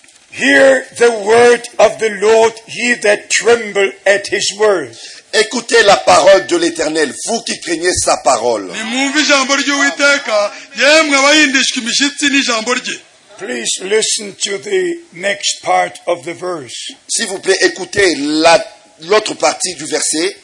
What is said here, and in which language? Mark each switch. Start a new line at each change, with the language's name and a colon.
English: Hear the word of the Lord, ye that tremble at his word.
French: Écoutez la parole de l'Éternel, vous qui craignez sa parole.
English: Please listen to the next part of the verse.
French: S'il vous plaît, écoutez l'autre partie du verset.